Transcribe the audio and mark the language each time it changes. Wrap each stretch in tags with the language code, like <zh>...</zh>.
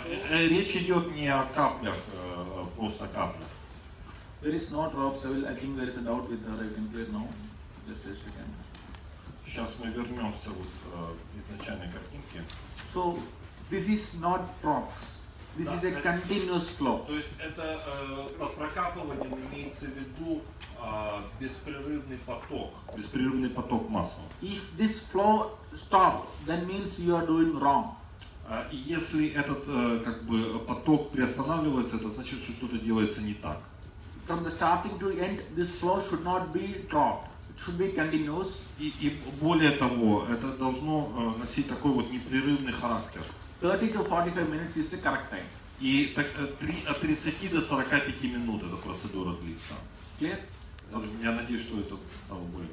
<ru>Речь идет не о каплях, просто каплях.</ru> <en>There is no drops. I think there is a doubt with that. I can clear now. Just as you can.</en> <ru>Сейчас мы вернемся вот к изначальной картинке.</ru> <en>So, this is not drops. This is a continuous flow.</en> <ru>То есть это прокапывание имеется в виду беспрерывный поток масла.</ru> <en>If this flow stops, that means you are doing wrong.</en> <ru>Если этот как бы поток приостанавливается, это значит, что что-то делается не так.</ru> <en>From the starting to end, this flow should not be stopped. It should be continuous.</en> <ru>И более того, это должно носить такой вот непрерывный характер.</ru> <en>30 to 45 minutes is the correct time.</en> <ru>И так от 30 до 45 минут эта процедура длится.</ru> <en>Clear? Okay.</en> <ru>Я надеюсь, что это стало более.</ru>